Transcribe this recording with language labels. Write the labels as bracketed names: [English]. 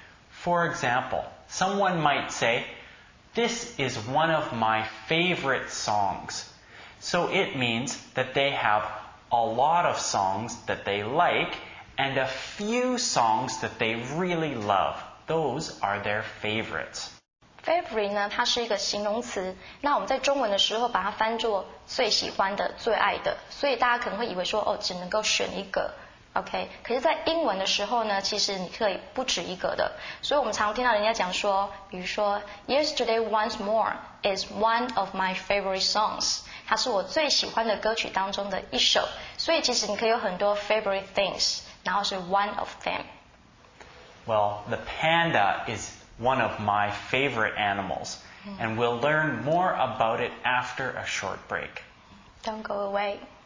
[English] For example, someone might say, This is one of my favorite songs. So it means that they have a lot of songs that they like and a few songs that they really love. Those are their favorites. [Chinese] Favorite 呢，它是一个形容词。那我们在中文的时候把它翻作最喜欢的、最爱的。所以大家可能会以为说，哦，只能够选一个。OK, 可是在英文的时候呢，其实你可以不止一个的。所以我们常听到人家讲说，比如说 [English] Yesterday Once More is one of my favorite songs. [Chinese] 它是我最喜欢的歌曲当中的一首。所以其实你可以有很多 [English] favorite things, [Chinese] 然后是 [English] one of them. Well, the panda is one of my favorite animals, and we'll learn more about it after a short break. Don't go away.